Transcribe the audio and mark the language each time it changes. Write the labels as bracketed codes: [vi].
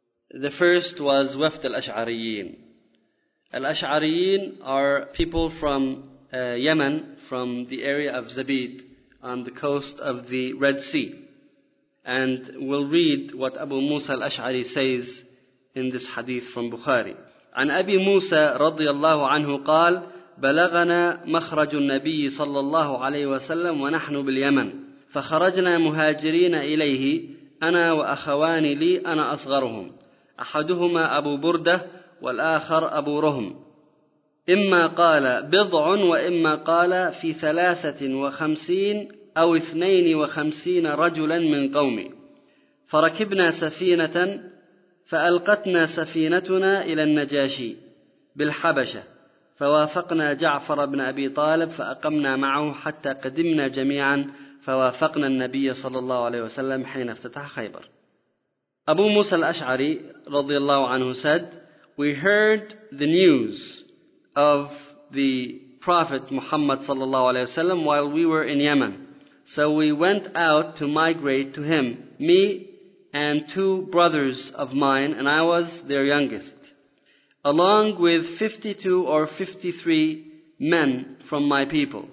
[en] The first was Wafd al-Ash'ariyin. Al-Ash'ariyin are people from Yemen, from the area of Zabid, on the coast of the Red Sea. And we'll read what Abu Musa al-Ash'ari says in this hadith from Bukhari. [ar] عن أبي موسى رضي الله عنه قال بلغنا مخرج النبي صلى الله عليه وسلم ونحن باليمن فخرجنا مهاجرين إليه أنا وأخواني لي أنا أصغرهم أحدهما أبو بردة والآخر أبو رهم إما قال بضع وإما قال في 53 أو 52 رجلا من قومي فركبنا سفينة فألقتنا سفينتنا إلى النجاشي بالحبشة فوافقنا جعفر بن أبي طالب فأقمنا معه حتى قدمنا جميعا فوافقنا النبي صلى الله عليه وسلم حين افتتح خيبر. [en] أبو موسى الأشعري رضي الله عنه said, We heard the news of the Prophet Muhammad صلى الله عليه وسلم while we were in Yemen. So we went out to migrate to him, me and two brothers of mine, and I was their youngest, along with 52 or 53 men from my people.